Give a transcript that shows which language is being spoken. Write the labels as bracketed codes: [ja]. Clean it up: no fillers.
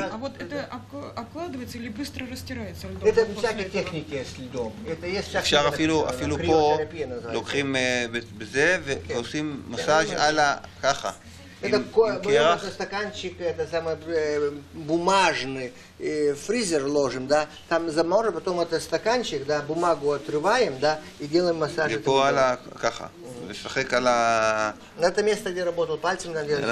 [ru] А вот это обкладывается или быстро растирается льдом? Это всякие техники. [he] אפשר אפילו פה לוקחים בזה ועושים מסאז' על ה... ככה. [ru] Это стаканчик, это самый бумажный фризер ложим, да, там заморозим, потом это стаканчик, да, бумагу отрываем, да, и делаем массаж. На это место, где работал пальцем, надо